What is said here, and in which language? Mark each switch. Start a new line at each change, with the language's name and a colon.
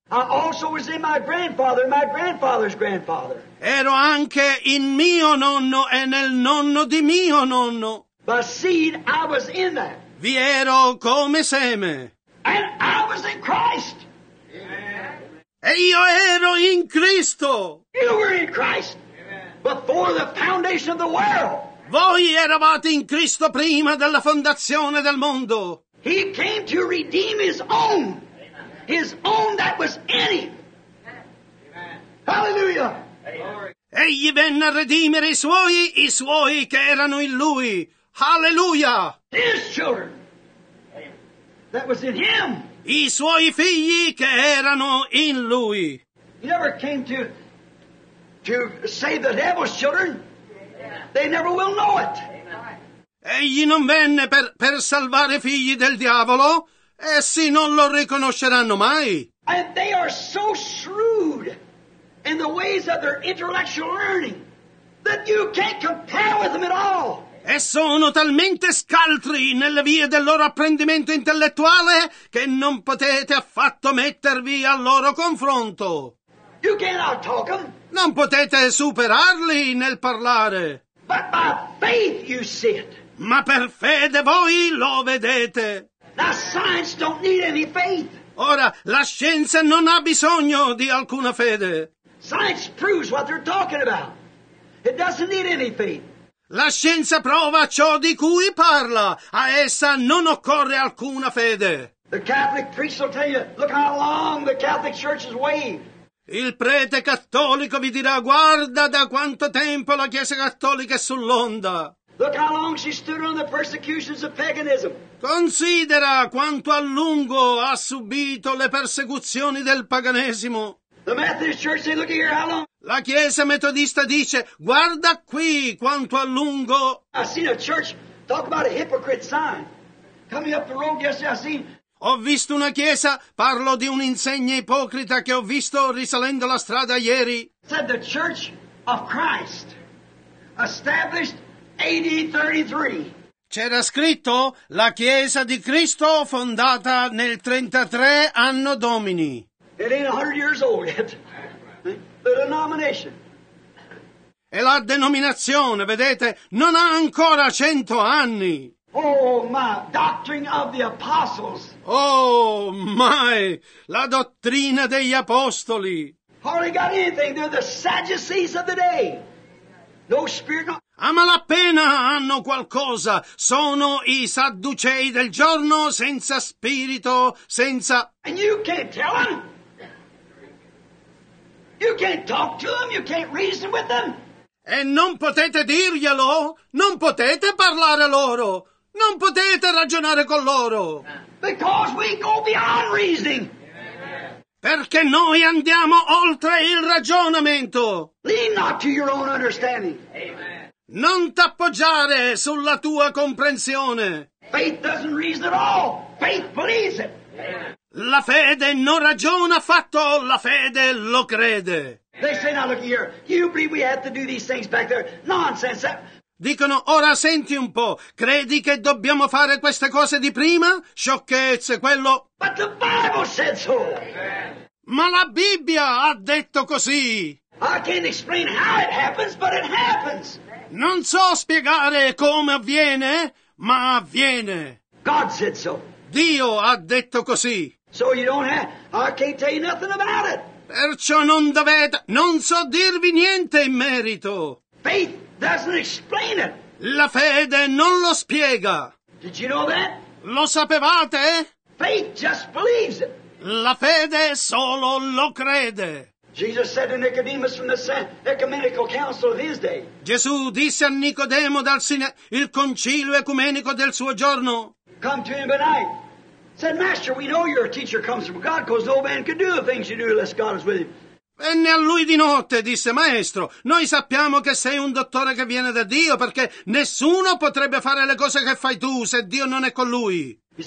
English: I also was in my grandfather, my grandfather's grandfather.
Italian: Ero anche in mio nonno e nel nonno di mio nonno.
English: By seed, I was in that.
Italian: Vi ero come seme.
English: And I was in Christ.
Italian: Amen. E io ero in Cristo.
English: You were in Christ. Amen. Before the foundation of the world.
Italian: Voi eravate in Cristo prima della fondazione del mondo.
English: He came to redeem His own. Amen. His own that was in Him. Amen. Hallelujah. Amen.
Italian: Egli venne a redimere i suoi che erano in Lui.
English: Hallelujah. His children. That was in Him.
Italian: I suoi figli che erano in Lui.
English: He never came to save the devil's children. Amen. They never will know it.
Italian: Egli non venne per salvare figli del diavolo, essi non lo riconosceranno mai.
English: And they are so shrewd in the ways of their intellectual learning that you can't compare with them at all.
Italian: E sono talmente scaltri nelle vie del loro apprendimento intellettuale che non potete affatto mettervi al loro confronto.
English: You cannot talk them.
Italian: Non potete superarli nel parlare.
English: But by faith you see it.
Italian: Ma per fede voi lo vedete.
English: Now, science don't need any faith.
Italian: Ora, la scienza non ha bisogno di alcuna fede.
English: Science proves what they're talking about. It doesn't need any faith.
Italian: La scienza prova ciò di cui parla. A essa non occorre alcuna fede.
English: The Catholic priest will tell you, look how long the Catholic Church has waved.
Italian: Il prete cattolico vi dirà, guarda da quanto tempo la Chiesa cattolica è sull'onda.
English: Look how long she stood on the persecutions of paganism.
Italian: Considera quanto a lungo ha subito le persecuzioni del paganesimo.
English: The Methodist Church, they look here how long.
Italian: La Chiesa metodista dice, guarda qui quanto a lungo.
English: I seen a church talk about a hypocrite sign coming up the road yesterday.
Italian: Ho visto una chiesa, parlo di un'insegna ipocrita che ho visto risalendo la strada ieri.
English: Said the Church of Christ established AD 33.
Italian: C'era scritto la Chiesa di Cristo fondata nel 33 anno Domini.
English: It ain't 100 years old yet. The denomination.
Italian: E la denominazione, vedete, non ha ancora 100 anni.
English: Oh my, doctrine of the apostles. Oh my,
Italian: la dottrina degli apostoli.
English: Hardly got anything. They're the Sadducees of the day. No spirit. No.
Italian: A malapena hanno qualcosa. Sono i sadducei del giorno, senza spirito, senza.
English: And you can't tell them. You can't talk to them. You can't reason with them.
Italian: E non potete dirglielo. Non potete parlare loro. Non potete ragionare con loro.
English: Because we go beyond reasoning.
Italian: Perché noi andiamo oltre il ragionamento.
English: Lean not to your own understanding.
Italian: Non t'appoggiare sulla tua comprensione.
English: Faith doesn't reason at all. Faith believes it.
Italian: La fede non ragiona affatto, la fede lo crede.
English: They say, now look here, you believe we have to do these things back there. Nonsense.
Italian: Dicono, ora senti un po', credi che dobbiamo fare queste cose di prima? Sciocchezze, quello.
English: But the Bible said so. Amen.
Italian: Ma la Bibbia ha detto così.
English: I can't explain how it happens, but it happens.
Italian: Non so spiegare come avviene, ma avviene.
English: God said so.
Italian: Dio ha detto così.
English: So you don't have, I can't tell you nothing about it.
Italian: Perciò non dovete, non so dirvi niente in merito.
English: Faith doesn't explain it.
Italian: La fede non lo spiega.
English: Did you know that?
Italian: Lo sapevate?
English: Faith just believes it.
Italian: La fede solo lo crede.
English: Jesus said to Nicodemus from the ecumenical council of his day.
Italian: Gesù disse a Nicodemo dal il concilio ecumenico del suo giorno.
English: Come to him at night. Said, Master, we know your teacher comes from God, because no man can do the things you do unless God is with him.
Italian: Venne a lui di notte e disse, Maestro, noi sappiamo che sei un dottore che viene da Dio, perché nessuno potrebbe fare le cose che fai tu se Dio non è con lui.